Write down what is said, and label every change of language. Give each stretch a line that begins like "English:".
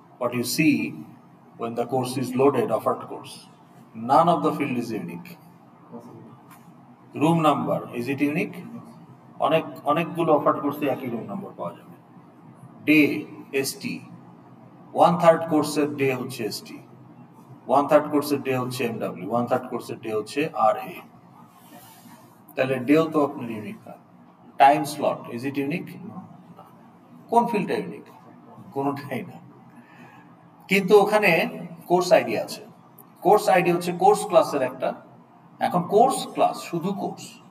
English: What you see when the course is loaded, offered course, none of the field is unique. Room number, is it unique?
Bangla: অনেক অনেকগুলো offered course একই room number পাওয়া যাবে.
English: Day, ST. One third course day হচ্ছে ST. One third course day হচ্ছে MW. One third course day হচ্ছে RA.
Bangla: তাহলে day তো আপনার unique না.
English: Time slot, is it unique? No.
Bangla: কোন ফিল্ডটা unique? কোনটাই না, কিন্তু ওখানে কোর্স আইডি আছে, কোর্স আইডি হচ্ছে কোর্স ক্লাসের একটা, এখন কোর্স ক্লাস শুধু কোর্স,